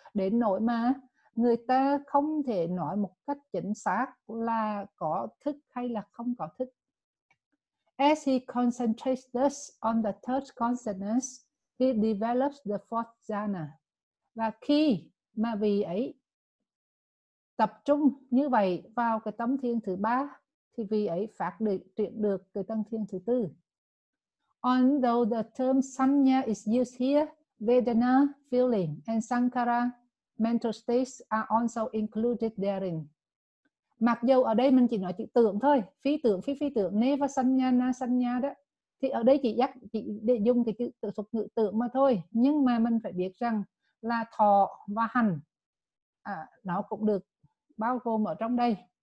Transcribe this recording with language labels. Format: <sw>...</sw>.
<vi>Đến nỗi mà người ta không thể nói một cách chính xác là có thức hay là không có thức.</vi> <en>As he concentrates thus on the third consciousness, he develops the fourth jhana.</en> <vi>Và khi mà vị ấy tập trung như vậy vào cái tâm thiên thứ ba, thì vị ấy phát triển được cái tâm thiên thứ tư.</vi> <en>Although the term sanya is used here, vedana, feeling, and sankhara, mental states are also included therein.</en> <vi>Mặc dù ở đây mình chỉ nói chữ tưởng thôi, phi tưởng, neva sanya na sanya đó, thì ở đây chỉ để dùng cái chữ thuật ngữ tưởng mà thôi. Nhưng mà mình phải biết rằng là thọ và hành, nó cũng được bao gồm ở trong đây.</vi>